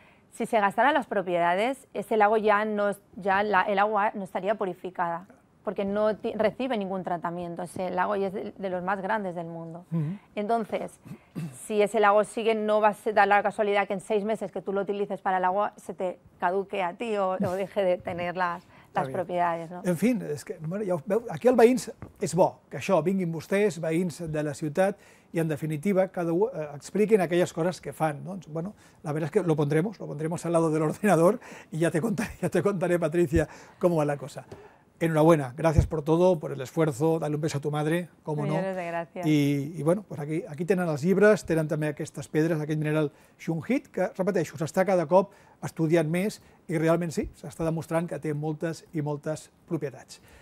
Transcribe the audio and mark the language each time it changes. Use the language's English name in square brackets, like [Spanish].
[Spanish] Si se gastaran las propiedades, ese lago ya no, ya la, el agua no estaría purificada, porque no recibe ningún tratamiento. Ese lago ya es de los más grandes del mundo. Entonces, si ese lago sigue, no va a dar la casualidad que en 6 meses que tú lo utilices para el agua se te caduque a ti o deje de tener las propiedades, ¿no? [Catalan] En fin, és que, bueno, ja ho veu, aquí als veïns és bo que això, vinguin vostès, veïns de la ciutat, i en definitiva cada un expliquin aquelles coses que fan. Doncs, bueno, la veritat és que [Spanish] lo pondremos al lado de [Catalan] l'ordinador i ja [Spanish] te contaré, [Catalan] Patricia, com va la cosa. [Spanish] Enhorabuena, gracias por todo, por el esfuerzo, dale un beso a tu madre, cómo no. Millones de gracias. [Catalan] I bueno, pues aquí tenen els llibres, tenen també aquestes pedres, aquest mineral Shunjit, que, repeteixo, s'està cada cop estudiant més i realment sí, s'està demostrant que té moltes i moltes propietats.